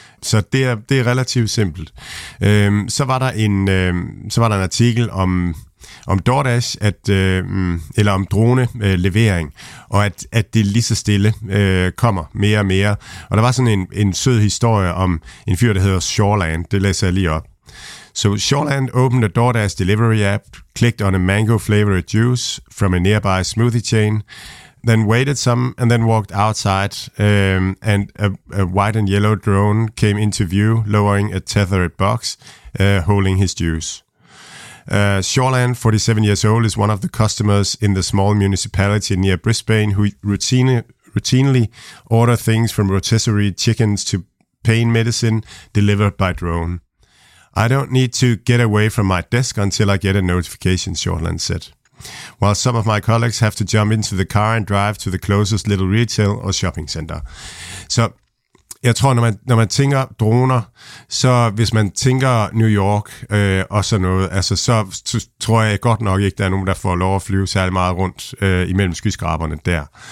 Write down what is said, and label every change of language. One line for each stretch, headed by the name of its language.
Danish: Så det er relativt simpelt. Så var der en artikel om DoorDash, om drone-levering, og at det lige så stille kommer mere og mere. Og der var sådan en sød historie om en fyr, der hedder Shoreland. Det læser jeg lige op.
English: So Shoreland opened a DoorDash delivery app, clicked on a mango-flavored juice from a nearby smoothie chain, then waited some, and then walked outside, and a white and yellow drone came into view, lowering a tethered box, holding his juice. Shoreland, 47 years old, is one of the customers in the small municipality near Brisbane who routinely order things from rotisserie chickens to pain medicine delivered by drone. I don't need to get away from my desk until I get a notification, Shoreland said. While some of my colleagues have to jump into the car and drive to the closest little retail or shopping center.
Danish: So, jeg tror, når man tænker droner, så hvis man tænker New York og sådan noget, altså så tror jeg godt nok ikke, der er nogen, der får lov at flyve særlig meget rundt imellem skyskraberne der.